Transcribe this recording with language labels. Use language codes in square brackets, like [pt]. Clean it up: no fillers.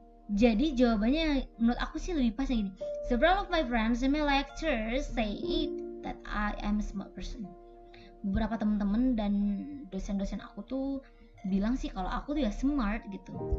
[id] Jadi jawabannya menurut aku sih lebih pas yang gini. [en] Several of my friends and my lecturers say it that I am a smart person. [id] Beberapa teman-teman dan dosen-dosen aku tuh bilang sih kalau aku tuh ya smart gitu.